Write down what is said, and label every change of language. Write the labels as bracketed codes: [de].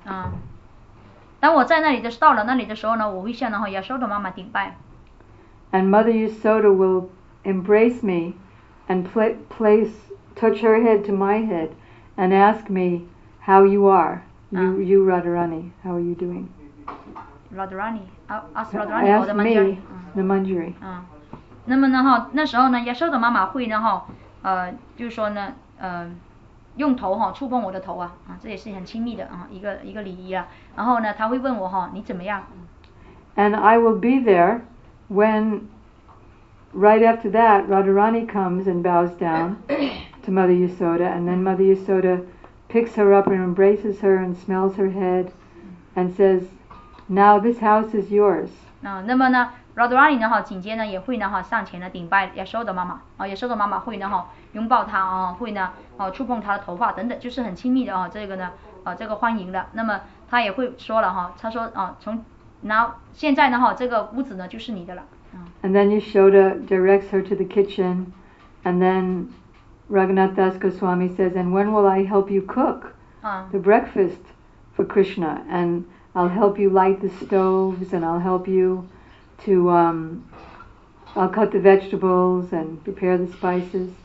[zh] 啊。当我在那里的到了那里的时候呢，我会向然后 Yasoda 妈妈顶拜。 [en] And Mother Yasoda will embrace me and touch her head to my head and ask me how you are, you Radharani, how are you doing? Radharani, ask Radharani, Manjari. Ask me, the Manjari. [zh] 那么呢那时候呢 ，Yasoda 妈妈会呢就是说呢用头哈触碰我的头啊，啊，这也是很亲密的啊，一个礼仪啊。然后呢，他会问我哈，你怎么样 [en] ？And I will be there when right after that Radharani comes and bows down to Mother Yasoda, and then Mother Yasoda picks her up and embraces her and smells her head and says, "Now this house is yours." [zh] 啊，那么呢 ，Radharani 呢哈，紧接呢也会呢哈上前呢顶拜 Yasoda 妈妈啊 ，Yasoda 妈妈会呢哈。拥抱他啊，会呢，哦，触碰他的头发等等，就是很亲密的啊，这个呢，啊，这个欢迎的。那么他也会说了哈，他说啊，从那现在呢哈，这个屋子呢就是你的了。 [en] And then Yasoda directs her to the kitchen, and then Raghunath Das Goswami says, "And when will I help you cook the breakfast for Krishna? And I'll help you light the stoves, and I'll help you to I'll cut the vegetables and prepare the spices."